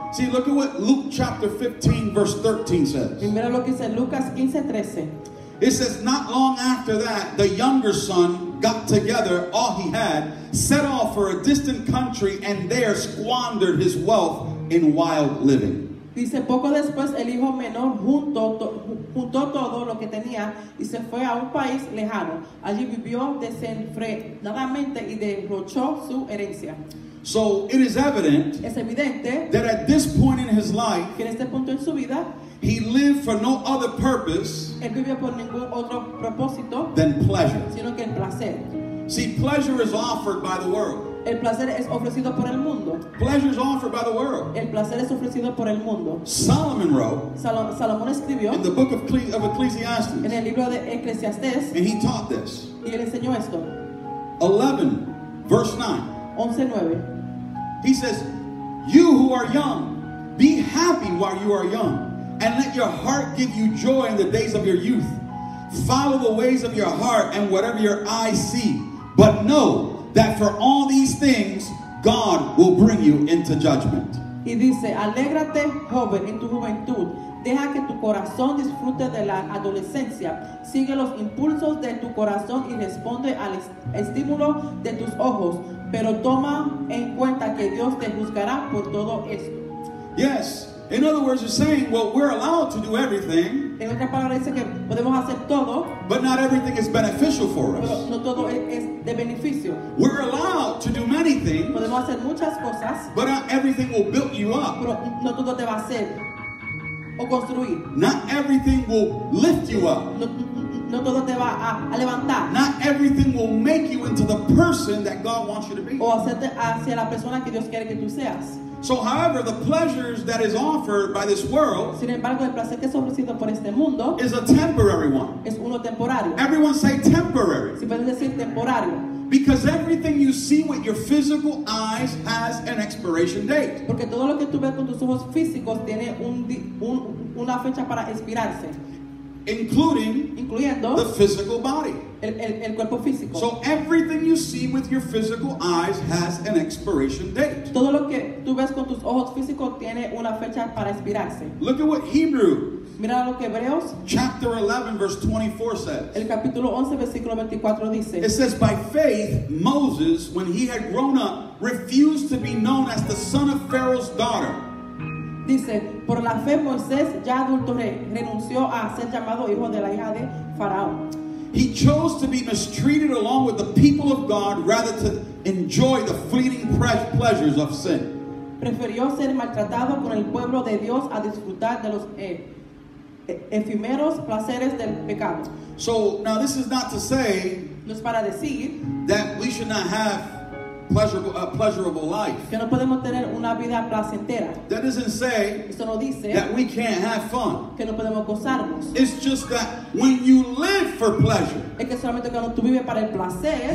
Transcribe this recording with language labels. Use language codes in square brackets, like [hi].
[en] See, look at what Luke chapter 15, verse 13 says. [es] Y mira lo que dice Lucas 15, 13. [en] It says, not long after that, the younger son got together all he had, set off for a distant country, and there squandered his wealth in wild living. [es] Dice, poco después, el hijo menor juntó todo lo que tenía y se fue a un país lejano. Allí vivió desenfrenadamente y derrochó su herencia. [en] So it is evident [es] es evidente [en] that at this point in his life, [es] que en este punto en su vida, [en] he lived for no other purpose [es] él vivió por ningún otro propósito [en] than pleasure. [es] Sino que el placer. [en] See, pleasure is offered by the world. [es] El placer es ofrecido por el mundo. [en] Pleasure is offered by the world. [es] El placer es ofrecido por el mundo. [en] Solomon wrote [es] Salomón escribió [en] in the book of Ecclesiastes, [es] en el libro de Ecclesiastes, [en] and he taught this. [es] Y él enseñó esto. [en] 11, verse 9. [es] 11:9. [en] He says, you who are young, be happy while you are young, and let your heart give you joy in the days of your youth. Follow the ways of your heart and whatever your eyes see, but know that for all these things, God will bring you into judgment. [es] Y dice, alégrate, joven, en tu juventud. Deja que tu corazón disfrute de la adolescencia. Sigue los impulsos de tu corazón y responde al estímulo de tus ojos. Pero toma en cuenta que Dios te juzgará por todo esto. [en] Yes. In other words, you're saying, well, we're allowed to do everything. [es] En otras palabras, dice que podemos hacer todo. [en] But not everything is beneficial for us. [es] Pero no todo es de beneficio. [en] We're allowed to do many things. [es] Podemos hacer muchas cosas. [en] But not everything will build you up. [es] Pero no todo te va a hacer o construir. [en] Not everything will lift you up. [es] No todo te va a levantar. [en] Not everything will make you into the person that God wants you to be. [es] O hacerte hacia la persona que Dios quiere que tú seas. [en] So, however, the pleasures that is offered by this world, [es] sin embargo, el placer que es ofrecido por este mundo, [en] is a temporary one. [es] Es uno temporario. [en] Everyone say temporary. [es] Si puedes decir temporario. [en] Because everything you see with your physical eyes has an expiration date. [es] Porque todo lo que tú ves con tus ojos físicos tiene una fecha para expirarse. [en] Including the physical body. [es] El cuerpo físico. [en] So everything you see with your physical eyes has an expiration date. [es] Todo lo que tú ves con tus ojos físicos tiene una fecha para expirarse. [en] Look at what Hebrew. [es] Mira lo que Hebreos. [en] Chapter 11, verse 24 says. [es] El capítulo 11, versículo 24 dice. [en] It says, by faith, Moses, when he had grown up, refused to be known as the son of Pharaoh's daughter. [es] Dice, por la fe Moisés, ya adulto, renunció a ser llamado hijo de la hija de Faraón. [en] He chose to be mistreated along with the people of God rather to enjoy the fleeting pleasures of sin. [es] Prefirió ser maltratado con el pueblo de Dios a disfrutar de los efímeros placeres del pecado. [en] So, now this is not to say [es] no es para decir [en] that we should not have pleasurable life. [es] Que no podemos tener una vida placentera. [en] That doesn't say [es] eso no dice [en] that we can't have fun. [es] Que no podemos gozarnos. [en] It's just that when you live for pleasure, [es] es que solamente cuando tú vives para el placer,